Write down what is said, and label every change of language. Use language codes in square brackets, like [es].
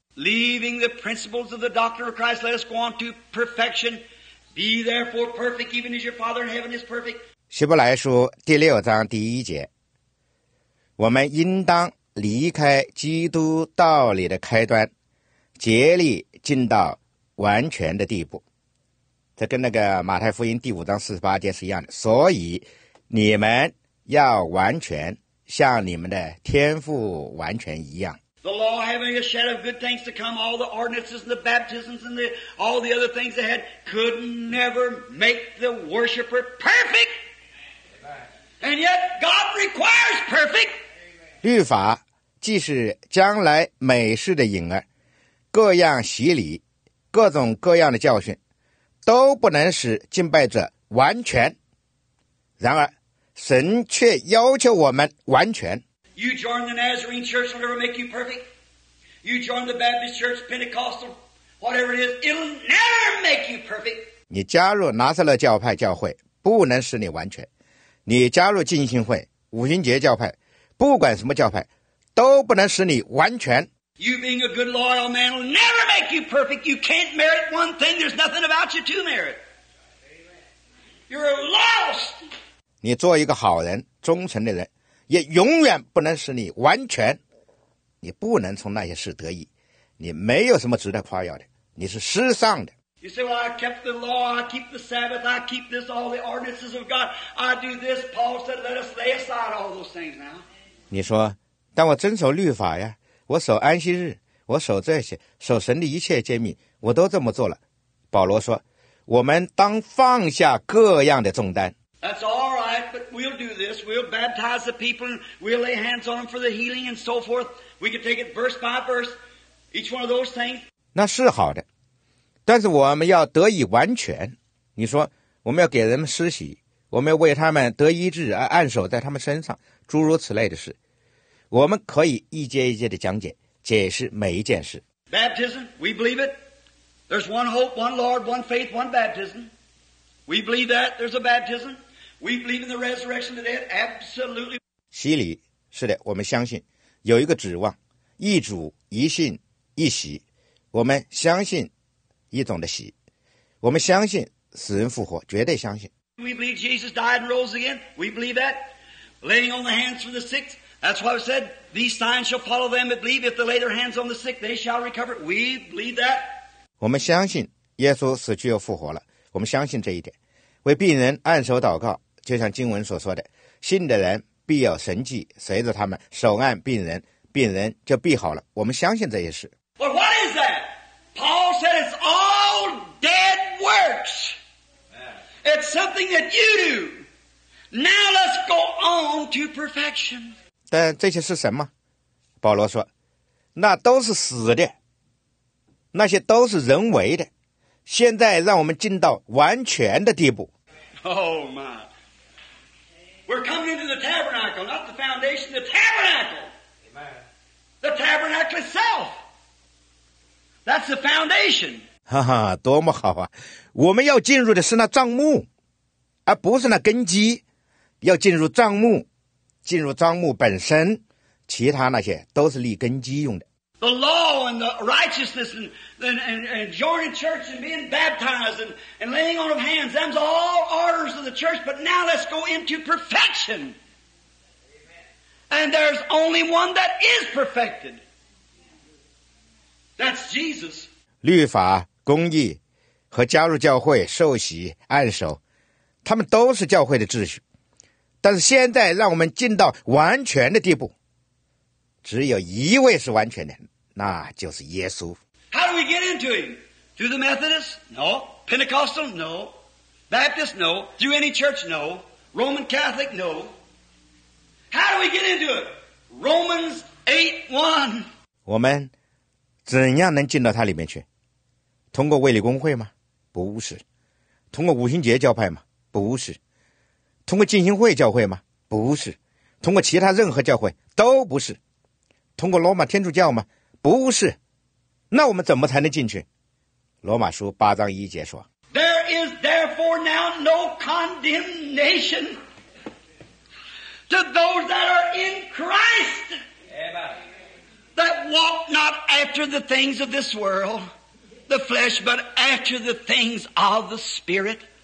[en] Leaving the principles of the doctrine of Christ, let us go on to perfection. Be therefore perfect, even as your Father in heaven is perfect. [zh] 希伯来书第六章第一节，我们应当离开基督道理的开端，竭力进到完全的地步。这跟那个马太福音第五章四十八节是一样的。所以你们要完全，像你们的天父完全一样。 [en] The law having a shadow of good things to come, all the ordinances and the baptisms and all the other things they had could never make the worshipper perfect. And yet God requires perfect. [zh] 律法既是将来美事的影儿，各样洗礼，各种各样的教训，都不能使敬拜者完全。然而，神却要求我们完全。 [en] You join the Nazarene church, it'll never make you perfect. You join the Baptist church, Pentecostal, whatever it is, it'll never make you perfect. [zh] 你加入拿撒勒教派教会，不能使你完全。你加入浸信会、五旬节教派，不管什么教派，都不能使你完全。 [en] You being a good, loyal man will never make you perfect. You can't merit one thing. There's nothing about you to merit. You're lost. [zh] 你做一个好人、忠诚的人，也永远不能使你完全。你不能从那些事得益，你没有什么值得夸耀的，你是失丧的。 [en] You say, well, I kept the law, I keep the Sabbath, I keep this, all the ordinances of God, I do this. Paul said, let us lay aside all those things now. [zh] 你说，但我遵守律法呀，我守安息日，我守这些，守神的一切诫命，我都这么做了。保罗说，我们当放下各样的重担。 [en] That's all right, but we'll do this. We'll baptize the people and we'll lay hands on them for the healing and so forth. We can take it verse by verse, each one of those things. [zh] 那是好的，但是我们要得以完全。你说，我们要给人们施洗，我们要为他们得医治而按手在他们身上，诸如此类的事。我们可以一节一节的讲解，解释每一件事。 [en] Baptism, we believe it. There's one hope, one Lord, one faith, one baptism. We believe that there's a baptism. We believe in the resurrection of the dead. Absolutely. [zh] 洗礼，是的，我们相信有一个指望，一主一信一洗。我们相信一种的洗，我们相信死人复活，绝对相信。 [en] We believe Jesus died and rose again. We believe that laying on the hands for the sick. That's why we said these signs shall follow them that believe. If they lay their hands on the sick, they shall recover. We believe that. [zh] 我们相信耶稣死去又复活了。我们相信这一点，为病人按手祷告，就像经文所说的，信的人必有神迹随着他们，手按病人，病人就必好了。我们相信这些事。 [en] But what is that? Paul said it's all dead works. It's something that you do. Now let's go on to perfection. [zh] 但这些是什么？保罗说，那都是死的，那些都是人为的。现在让我们进到完全的地步。 [en] Oh my! We're coming into the tabernacle, not the foundation, the tabernacle. Amen. The tabernacle itself. That's the foundation. [zh] 哈哈，多么好啊！我们要进入的是那帐幕，而不是那根基。要进入帐幕，进入帐幕本身，其他那些都是立根基用的。 [en] The law and the righteousness and joining church and being baptized and laying on of hands, them's all orders of the church, but now let's go into perfection. And there's only one that is perfected. That's Jesus. [zh] 律法、公义和加入教会、受洗、按手，他们都是教会的秩序。但是现在让我们进到完全的地步，只有一位是完全的，那就是耶稣。 [en] How do we get into him? Through the Methodist? No. Pentecostal? No. Baptist? No. Through any church? No. Roman Catholic? No. How do we get into it? Romans 8:1. [zh] 我们怎样能进到他里面去？通过卫理公会吗？不是。通过五旬节教派吗？不是。通过浸信会教会吗？不是。通过其他任何教会都不是。通过罗马天主教吗？不是，那我们怎么才能进去？罗马书八章一节说 [en] ：“There is therefore now no condemnation to those that are in Christ, that walk not after the things of this world, the flesh, but after the things of the Spirit.